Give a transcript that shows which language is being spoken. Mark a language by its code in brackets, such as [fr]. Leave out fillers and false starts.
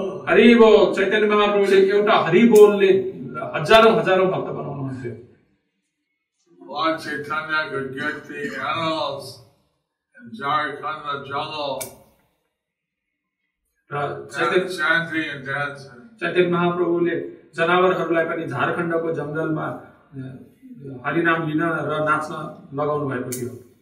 [ne] हरिबो चैतन्य महाप्रभुले एउटा हरिबोलले हजारौँ हजारौँ भक्त बनाउनुहुन्थ्यो. [en] Lord Chaitanya could get the animals in Jharkhanda jungle chanting and dancing. [ne] Chaitanya महाप्रभुले जनावरहरूलाई पनि झारखण्डको जङ्गलमा हरिनाम लिन र नाच्न लगाउनु भएको थियो.